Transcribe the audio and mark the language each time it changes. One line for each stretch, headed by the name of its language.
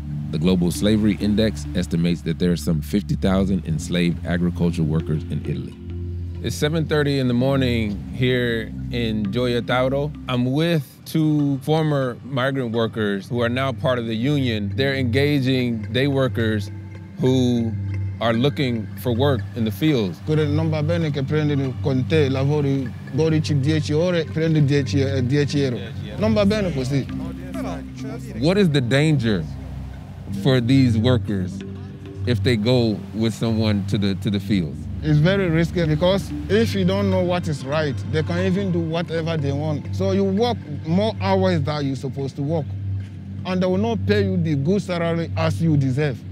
English: The Global Slavery Index estimates that there are some 50,000 enslaved agricultural workers in Italy. It's 7:30 in the morning here in Gioia Tauro. I'm with two former migrant workers who are now part of the union. They're engaging day workers who are looking for work in the fields.
Italian: Non va bene che prendi con te lavori 12-10 ore, prendi 10 euro. Non va bene così.
English: What is the danger for these workers if they go with someone to the fields? It's very risky because if you don't know what is right, they can even do whatever they want. So you work more hours than you're supposed to work, and they will not pay you the good salary as you deserve.